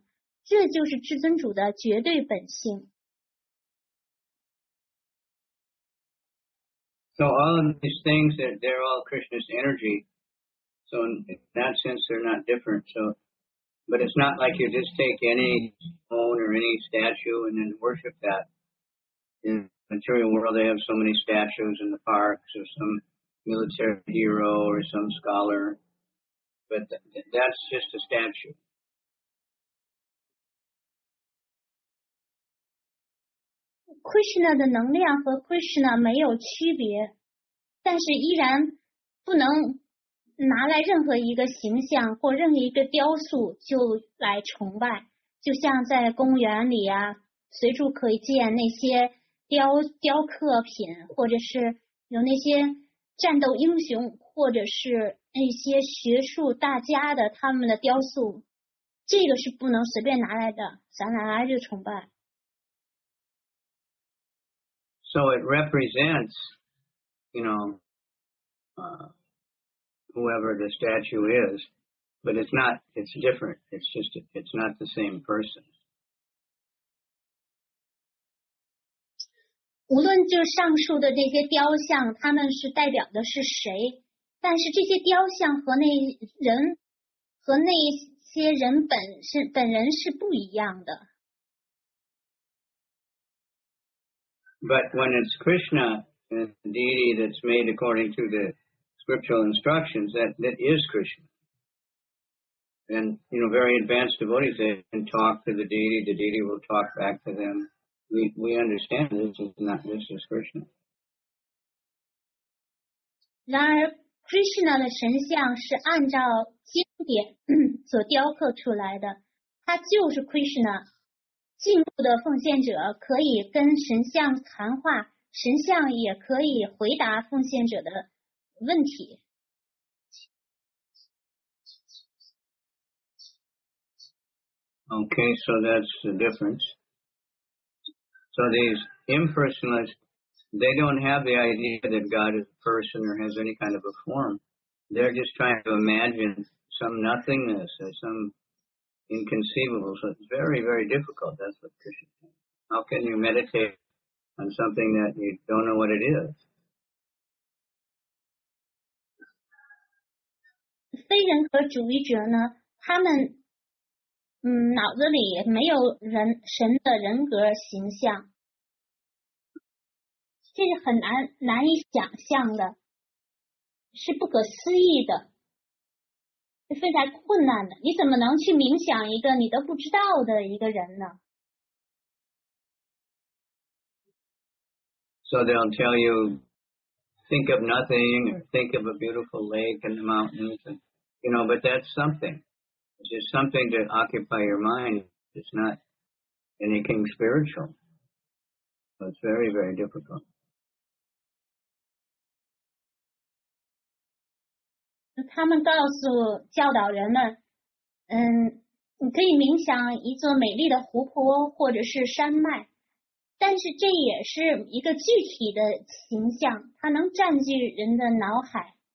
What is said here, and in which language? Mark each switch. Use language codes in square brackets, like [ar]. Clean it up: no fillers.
[zh] 伟达典籍中有明证对至尊的崇拜可以是具有特征的萨古纳或不具特征的尼尔古纳。崇拜神庙中的神像是具有特征的萨古纳崇拜，因为主以物质属性代表自己，但主的形体纵使由石头、木材、油材等物质代表，实际上却不是物质的。这就是至尊主的绝对本性。 [en] So all of these things, they're all Krishna's energy. So in that sense, they're not different. So, but it's not like you just take any stone or any statue and then worship that. In material world, they have so many statues in the parks or some military hero or some scholar. but that's just a statue. [zh] Krishna 的能量和 Krishna 没有区别，但是依然不能拿来任何一个形象或任何一个雕塑就来崇拜，就像在公园里啊，随处可见那些雕刻品，或者是有那些战斗英雄，或者是那些学术大家的他们的雕塑，这个是不能随便拿来的，咱拿来就崇拜。 [en] So it represents, you know, whoever the statue is, but it's not, it's different. It's just, it's not the same person. [zh] 无论就上述的这些雕像，他们是代表的是谁，但是这些雕像和那人，和那些人本人是不一样的。 [en] But when it's Krishna, the deity that's made according to the scriptural instructions, that is Krishna. And, you know, very advanced devotees, they can talk to the deity will talk back to them. We understand this is Krishna. [zh] 然而 ,Krishna 的神像是按照经典所雕刻出来的。他就是 Krishna。进步的奉献者可以跟神像谈话，神像也可以回答奉献者的问题。 [en] Okay, so that's the difference. So these impersonalists, they don't have the idea that God is a person or has any kind of a form. They're just trying to imagine some nothingness or some... inconceivable, so it's very, very difficult. That's what Krishna says. How can you meditate on something that you don't know what it is? [zh] 非人格主义者呢，他们脑子里没有人神的人格形象，这是很难以想象的，是不可思议的。是非常困难的，你怎么能去冥想一个你都不知道的一个人呢？ [en] So they'll tell you, think of nothing, or think of a beautiful lake and the mountains, and, you know, but that's something. It's just something to occupy your mind. It's not anything spiritual. So it's very, very difficult. [zh] 他们告诉教导人们，你可以冥想一座美丽的湖泊或者是山脉，但是这也是一个具体的形象，它能占据人的脑海。